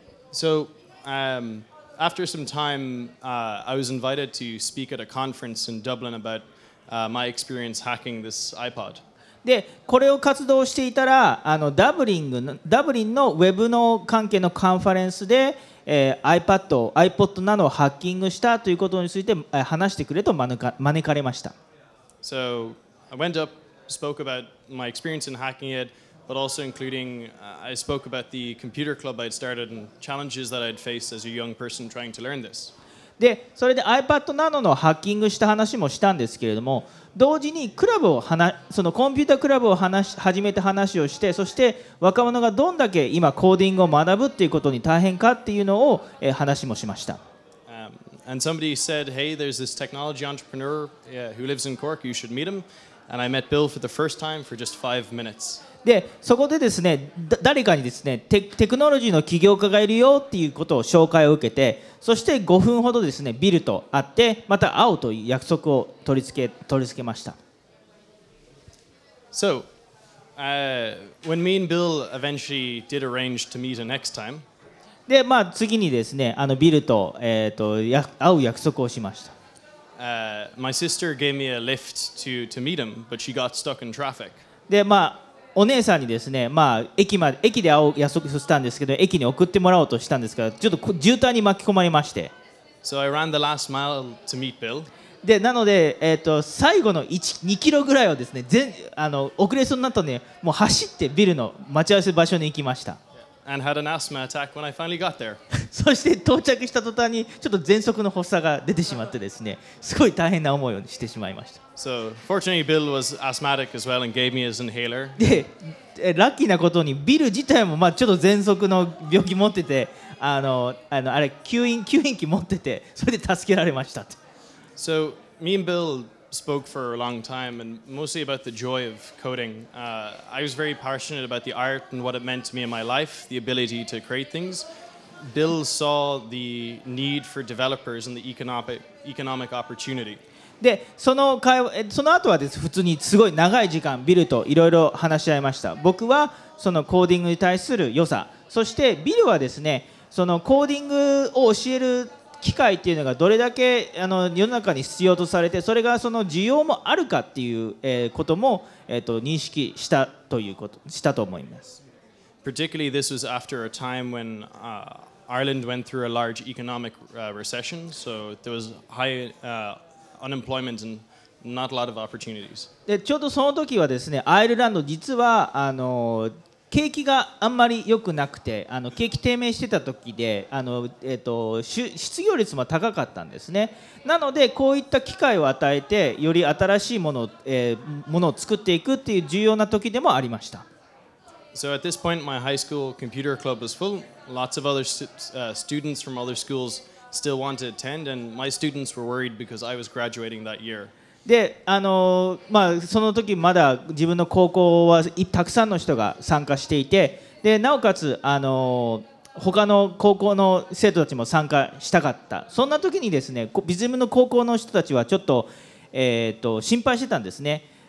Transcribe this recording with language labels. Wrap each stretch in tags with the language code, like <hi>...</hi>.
<en>So, after some time, I was invited to speak at a conference in Dublin about my experience hacking this iPod.</en> <ja>で、これを活動していたら、ダブリンのウェブの関係のカンファレンスで、iPad、iPod なのをハッキングしたということについて話してくれと招かれました。</ja> <en>So I went up, spoke about my experience in hacking it, but also including I spoke about the computer club I'd started and challenges that I'd faced as a young person trying to learn this.</en> <ja>で、それで iPad なののハッキングした話もしたんですけれども、同時にクラブを話、そのコンピュータークラブを始めて話をして、そして若者がどんだけ今コーディングを学ぶっていうことに大変かっていうのを話もしました。</ja> <en>And somebody said, hey, there's this technology entrepreneur who lives in Cork, you should meet him. And I met Bill for the first time for just 5 minutes.</en> <ja>で、そこでですね、誰かにですね、テクノロジーの起業家がいるよっていうことを紹介を受けて、そして5分ほどですね、ビルと会って、また会うという約束を取り付けました。</ja> <en>So, when me and Bill eventually did arrange to meet the next time,</en> <ja>で、まあ次にですね、ビルと、会う約束をしました。</ja> <en>My sister gave me a lift to meet him, but she got stuck in traffic.</en> <ja>で、まあお姉さんにですね、まあ駅で会おう約束したんですけど、駅に送ってもらおうとしたんですが、ちょっと渋滞に巻き込まれまして。</ja> <en>So I ran the last mile to meet Bill.</en> <ja>で、なので、最後の2キロぐらいをですね、遅れそうになったので、もう走ってビルの待ち合わせ場所に行きました。</ja> <en>And had an asthma attack when I finally got there.</en> <ja>そして到着した途端にちょっと喘息の発作が出てしまってですね、すごい大変な思いをしてしまいました。</ja> <en>So fortunately, Bill was asthmatic as well and gave me his inhaler.</en> <ja>で、ラッキーなことにビル自体もまあちょっと喘息の病気持ってて、あれ吸引器持ってて、それで助けられました。</ja> <en>So me and Bill spoke for a long time and mostly about the joy of coding. I was very passionate about the art and what it meant to me in my life, the ability to create things. Bill saw the need for developers and the economic opportunity.</en> <ja>で、その後はです、普通にすごい長い時間ビルといろいろ話し合いました。僕はそのコーディングに対する良さ、そしてビルはですね、そのコーディングを教える機会っていうのがどれだけ世の中に必要とされて、それがその需要もあるかっていうことも認識したということしたと思います。</ja> <en>Particularly, this was after a time when, Ireland went through a large economic, recession, so there was high, unemployment and not a lot of opportunities.</en> <ja>で、ちょうどその時はですね、アイルランド実は景気があんまり良くなくて、景気低迷してた時で、失業率も高かったんですね。なのでこういった機会を与えて、より新しいものを作っていくっていう重要な時でもありました。</ja> <en>So at this point, my high school computer club was full. Lots of other students from other schools. Still want to attend, and my students were worried because I was graduating that year.</en> <ja>で、まあその時まだ自分の高校はたくさんの人が参加していて、でなおかつ他の高校の生徒たちも参加したかった。そんな時にですね、自分の高校の人たちはちょっと心配してたんですね。</ja>